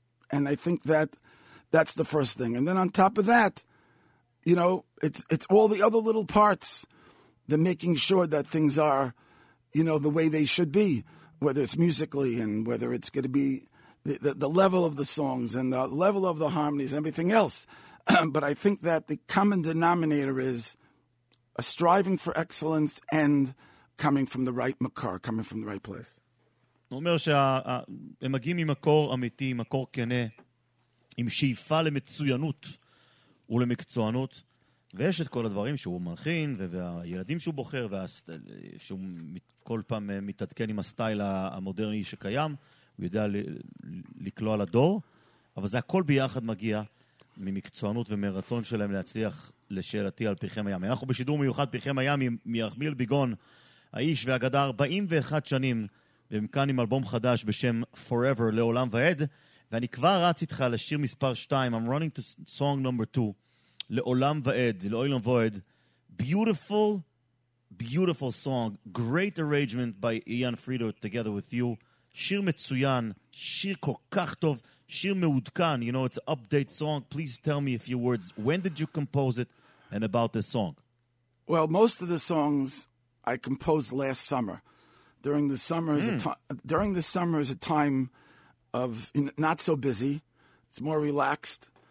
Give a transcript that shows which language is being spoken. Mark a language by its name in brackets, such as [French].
[English] And I think that that's the first thing. And then on top of that, you know, it's all the other little parts, the making sure that things are, you know, the way they should be, whether it's musically and whether it's going to be the level of the songs and the level of the harmonies and everything else. But I think that the common denominator is a striving for excellence and coming from the right makar, coming from the right place. [Hebrew] הוא אומר שהם מגיעים ממקור אמיתי, מקור כנה, עם שאיפה למצוינות ולמקצוענות. ויש את כל הדברים שהוא מלחין, והילדים שהוא בוחר, שהוא כל פעם מתעדכן עם הסטייל המודרני שקיים, הוא יודע לקלוע לדור, אבל זה הכל ביחד מגיע ממקצוענות ומרצון שלהם להצליח לשאלתי על פרחי מיאמי. אנחנו בשידור מיוחד פרחי מיאמי, מירחמיל ביגון, האיש והגדה 41 שנים, והם כאן עם אלבום חדש בשם Forever, לעולם ועד, ואני כבר רץ איתך לשיר מספר 2, [English] I'm running to song number 2, [Hebrew] לעולם ועד, לעולם ועד. [English] Beautiful, beautiful song. Great arrangement by Ian Frido together with you. [Hebrew] שיר מצוין, שיר כל כך טוב, שיר מעודכן. [English] You know, it's an update song. Please tell me a few words. When did you compose it and about this song? Well, most of the songs I composed last summer. During the summer is a time of not so busy. It's more relaxed.